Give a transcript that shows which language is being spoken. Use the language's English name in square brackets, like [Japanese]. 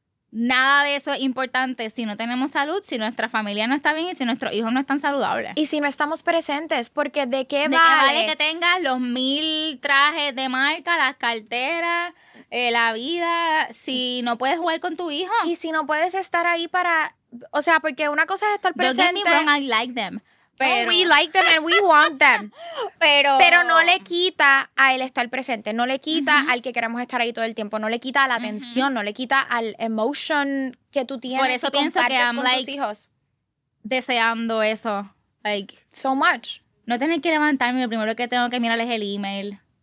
[Spanish] Nada de eso es importante si no tenemos salud, si nuestra familia no está bien y si nuestros hijos no están saludables. Y si no estamos presentes, porque ¿de qué ¿De vale? ¿De qué vale que tengas los 1,000 trajes de marca, las carteras, la vida, si no puedes jugar con tu hijo? Y si no puedes estar ahí para... O sea, porque una cosa es estar presente... [English] Don't get me wrong, I like them. [Spanish] Pero... [English] Oh, we like them and we want them. [Spanish] Pero no le quita a él estar presente. No le quita uh-huh. al que queremos estar ahí todo el tiempo. No le quita a la atención. Uh-huh. No le quita al emotion que tú tienes. Por eso pienso que con tus hijos. Deseando eso. [English] Like, so much. [Spanish] No tener que levantarme, lo primero que tengo que mirar es el email.